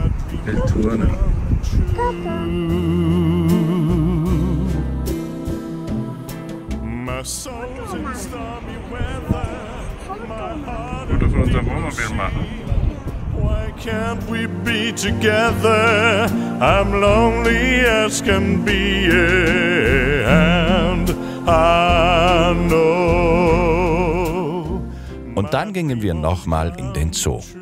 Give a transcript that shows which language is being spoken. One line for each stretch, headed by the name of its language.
German: Gute von unserem Wohnmobil machen.
English: Why can't we be together? I'm lonely as can be, and I know.
German: Und dann gingen wir nochmal in den Zoo.